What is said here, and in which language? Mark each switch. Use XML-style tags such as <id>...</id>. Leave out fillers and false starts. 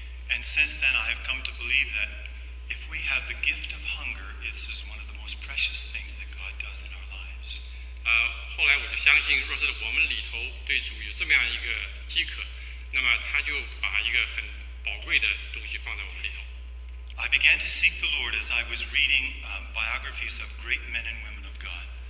<en>And since then, I have come to believe that if we have the gift of hunger, this is one of the most precious things that God does in our lives.</en> <zh>后来我就相信，若是我们里头对主有这么样一个饥渴，那么他就把一个很宝贵的东西放在我们里头。</zh> <en>I began to seek the Lord as I was reading biographies of great men and women of God.</en>